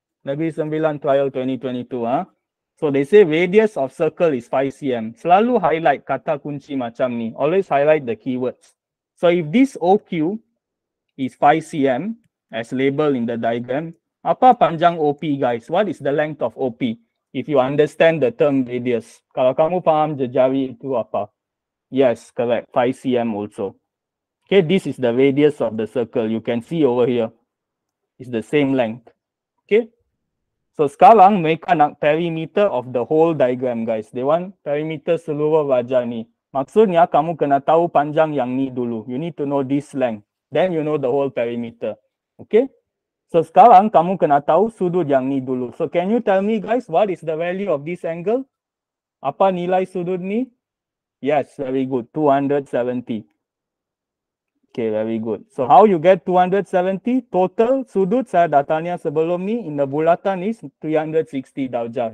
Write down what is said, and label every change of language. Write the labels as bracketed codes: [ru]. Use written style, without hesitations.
[en] Negeri Sembilan trial 2022. So they say radius of circle is 5 cm. [ms] Selalu highlight kata kunci macam ni. [en] Always highlight the keywords. So if this OQ is 5 cm as labeled in the diagram, [ms] apa panjang OP [en] guys? What is the length of OP? If you understand the term radius. [ms] Kalau kamu faham jejari itu apa? [en] Yes, correct. 5 cm also. Okay, this is the radius of the circle. You can see over here. It's the same length. Okay. So [ms] sekarang mereka nak [en] perimeter of the whole diagram guys. They want perimeter [ms] seluruh wajah ni. Maksudnya kamu kena tahu panjang yang ni dulu. [en] You need to know this length. Then you know the whole perimeter. Okay. So [ms] sekarang kamu kena tahu sudut yang ni dulu. [en] So can you tell me guys, what is the value of this angle? [ms] Apa nilai sudut ni? [en] Yes, very good. 270. Okay, very good. So how you get 270? [ms] Total sudut saya dah tanya sebelum ni in the bulatan is 360 darjah.